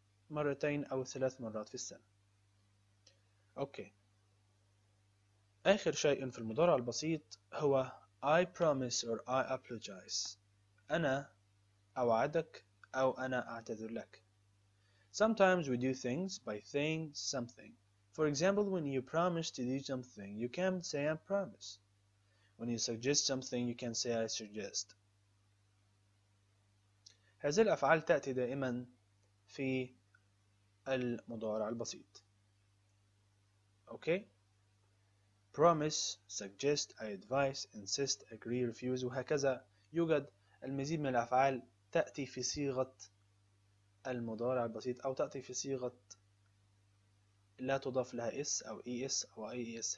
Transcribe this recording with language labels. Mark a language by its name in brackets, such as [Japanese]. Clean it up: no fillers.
[Arabic] مرتين أو ثلاث مرات في السنة. [English] Okay. [Arabic] آخر شيء في المضارع البسيط هو [English] I promise or I apologize. [Arabic] أنا أوعدك أو أنا أعتذر لك. [English] Sometimes we do things by saying something. For example, when you promise to do something, you can say I promise. When you suggest something, you can say I suggest. [Arabic] هذه الأفعال تأتي دائما في المضارع البسيط. [English] Okay? Promise, suggest, I advise, insist, agree, refuse وهكذا. [Arabic] يوجد المزيد من الأفعال تأتي في صيغة المضارع البسيط أو تأتي في صيغة لا تضاف لها إس أو إي إس أو أي إس.